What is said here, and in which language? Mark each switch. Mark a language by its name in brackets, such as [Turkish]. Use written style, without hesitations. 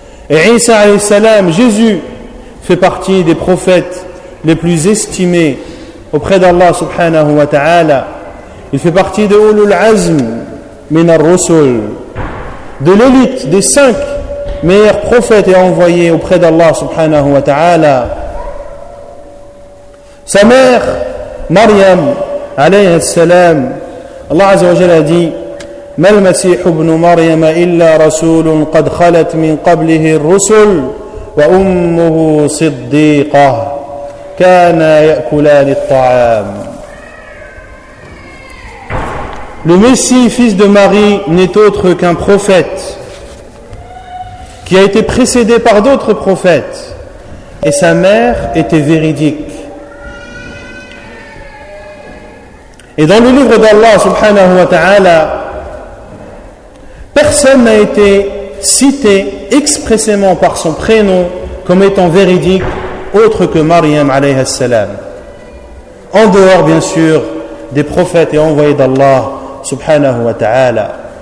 [French] Et Isa alayhi salam, Jésus, fait partie des prophètes les plus estimés auprès d'Allah subhanahu wa ta'ala. Il fait partie de Ulul Azm min ar-Rusul, de l'élite des cinq meilleurs prophètes et envoyés auprès d'Allah subhanahu wa ta'ala. Sa mère, Maryam alayhi salam, Allah Azza wa Jalla a dit: [Arabic] ما المسيح ابن مريم إلا رسول قد خلت من قبله الرسل وأمه صديقة كان يأكلان الطعام. [French] Le Messie, fils de Marie, n'est autre qu'un prophète qui a été précédé par d'autres prophètes, et sa mère était véridique. Et dans le livre d'Allah subhanahu wa ta'ala, personne n'a été cité expressément par son prénom comme étant véridique autre que Maryam alayhi salam, en dehors bien sûr des prophètes et envoyés d'Allah subhanahu wa ta'ala.